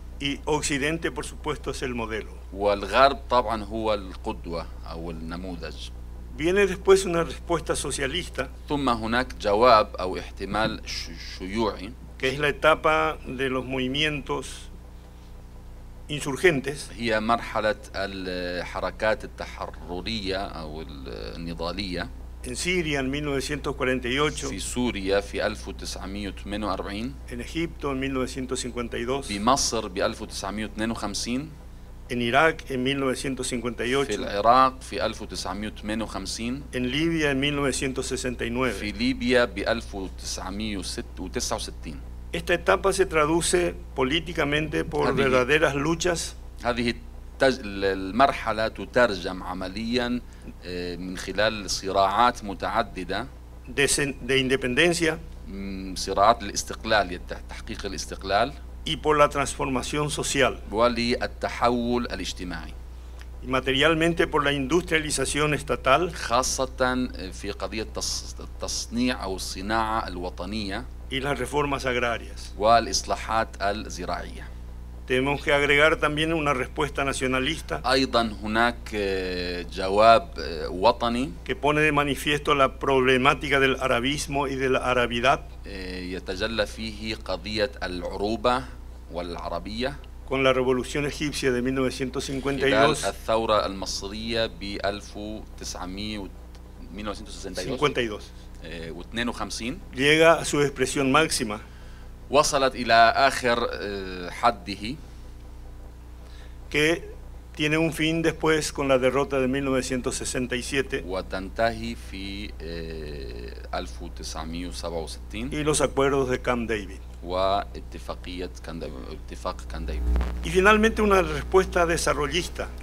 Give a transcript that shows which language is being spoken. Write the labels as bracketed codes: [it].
[es] y Occidente, por supuesto, es el modelo. [ar] والغرب طبعا هو القدوة أو النموذج. [es] Viene después una respuesta socialista, [ar] ثم هناك جواب أو احتمال شيوعي, [es] que es la etapa de los movimientos insurgentes, [ar] هي مرحلة الحركات التحررية أو النضالية. [es] En Siria en 1948. [ar] في سوريا في 1948. [es] En Egipto en 1952. [ar] في مصر ب 1952. [es] En Irak en 1958. [ar] في العراق في 1958. [es] En Libia en 1969. [ar] في ليبيا ب 1969. [es] Esta etapa se traduce políticamente por verdaderas luchas. [ar] هذه المرحلة تترجم عمليا من خلال صراعات متعددة. [es] De independencia. [ar] صراعات الاستقلال لتحقيق الاستقلال. [es] Y por la transformación social. [ar] وللتحول الاجتماعي. [es] Y materialmente por la industrialización estatal. [ar] خاصة في قضية التصنيع أو الصناعة الوطنية. [es] Y las reformas agrarias. [ar] والإصلاحات الزراعية. [es] Tenemos que agregar también una respuesta nacionalista. [ar] أيضا هناك جواب وطني. [es] Que pone de manifiesto la problemática del arabismo y de la arabidad. [ar] يتجلى فيه قضية العروبة والعربية. [es] Con la revolución egipcia de 1952. [ar] خلال الثورة المصرية ب 1952. 52 [es] llega a su expresión máxima. [ar] وصلت إلى آخر حده. [es] Que tiene un fin después con la derrota de 1967. [ar] وتنتهي في 1967. [es] Y los acuerdos de Camp David. [ar] واتفاقية اتفاق كامب ديفيد. [es] Y finalmente una respuesta desarrollista.